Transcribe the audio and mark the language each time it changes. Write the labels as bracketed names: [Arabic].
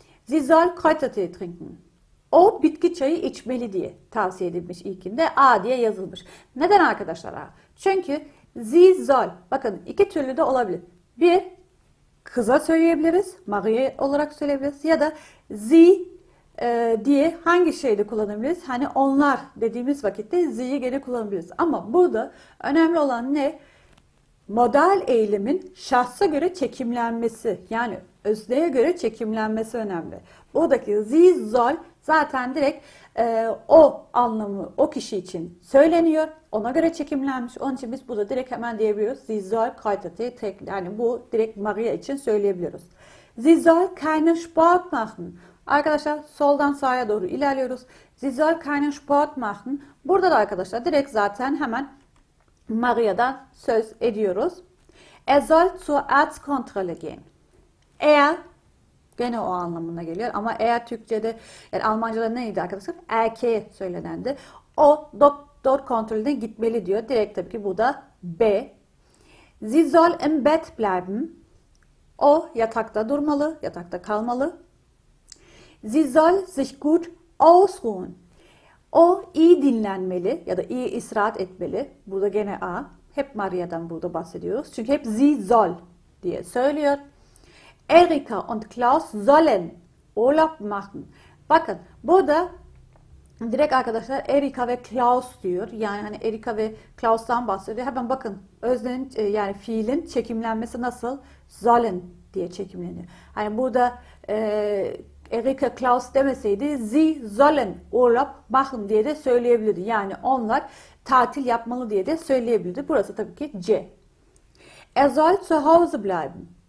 [German] Sie soll Kräutertee trinken. [Turkish] O bitki çayı içmeli diye tavsiye edilmiş ilkinde. A diye yazılmış. Neden arkadaşlar A? Çünkü Sie soll. Bakın iki türlü de olabilir. Bir, kıza söyleyebiliriz. Marie olarak söyleyebiliriz. Ya da Sie diye hangi şeyde kullanabiliriz? Hani onlar dediğimiz vakitte Sie'yi gene kullanabiliriz. Ama burada önemli olan ne? Modal eylemin şahsa göre çekimlenmesi. Yani özneye göre çekimlenmesi önemli. Buradaki Sie soll zaten direkt o anlamı o kişi için söyleniyor. Ona göre çekimlenmiş. Onun için biz burada direkt hemen diyebiliyoruz. [German] Sie soll kaytete tek. [Turkish] Yani bu direkt Maria için söyleyebiliyoruz. [German] Sie soll keinen Sport machen. [Turkish] Arkadaşlar soldan sağa doğru ilerliyoruz. [German] Sie soll keinen Sport machen. [Turkish] Burada da arkadaşlar direkt zaten hemen Maria'dan söz ediyoruz. [German] Er soll zur Arztkontrolle gehen. [Turkish] Eğer gene o anlamına geliyor ama eğer Türkçe'de, yani Almanca'da neydi arkadaşlar? Erkeğe söylenendi. O doktor kontrolüne gitmeli diyor. Direkt tabii ki bu da B. [German] Sie soll im Bett bleiben. [Turkish] O yatakta durmalı, yatakta kalmalı. [German] Sie soll sich gut ausruhen. [Turkish] O iyi dinlenmeli ya da iyi istirahat etmeli. Burada gene A. Hep Maria'dan burada bahsediyoruz. Çünkü hep sie soll diye söylüyor. [German] Erika und Klaus sollen Urlaub machen. [Turkish] Bakın burada direkt arkadaşlar Erika ve Klaus diyor. Yani hani Erika ve Klaus'tan bahsediyor. Hemen bakın öznenin yani fiilin çekimlenmesi nasıl? Sollen diye çekimleniyor. Hani burada Erika Klaus demeseydi [German] sie sollen Urlaub machen [Turkish] diye de söyleyebilirdi. Yani onlar tatil yapmalı diye de söyleyebilirdi. Burası tabii ki C. [German] Er soll zu Hause bleiben.